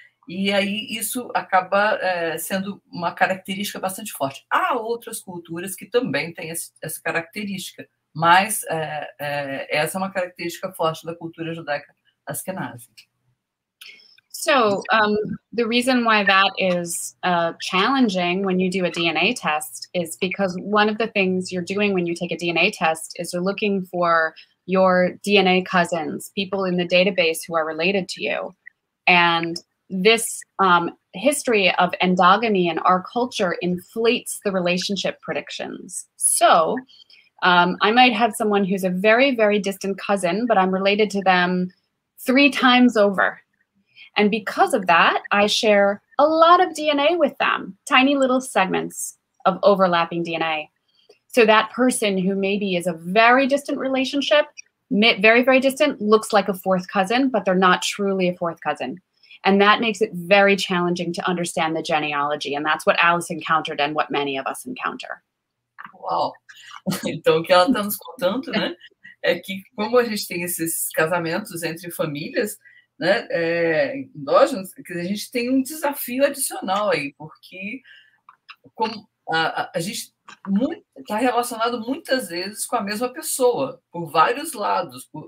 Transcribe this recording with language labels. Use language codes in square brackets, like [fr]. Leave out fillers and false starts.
[pt] E aí isso acaba sendo uma característica bastante forte. Há outras culturas que também têm essa característica, mas essa é uma característica forte da cultura judaica Ashkenazi. [en] So, the reason why that is challenging when you do a DNA test is because one of the things you're doing when you take a DNA test is you're looking for your DNA cousins, people in the database who are related to you. And this history of endogamy in our culture inflates the relationship predictions. So I might have someone who's a very, very distant cousin, but I'm related to them three times over. And because of that, I share a lot of DNA with them, tiny little segments of overlapping DNA. So that person who maybe is a very distant relationship, very, very distant, looks like a fourth cousin, but they're not truly a fourth cousin. And that makes it very challenging to understand the genealogy. And that's what Alice encountered and what many of us encounter. [pt] Uau! Então, o que ela está nos contando, né, é que como a gente tem esses casamentos entre famílias, né, endógenos, a gente tem um desafio adicional aí, porque como a gente está relacionado muitas vezes com a mesma pessoa, por vários lados.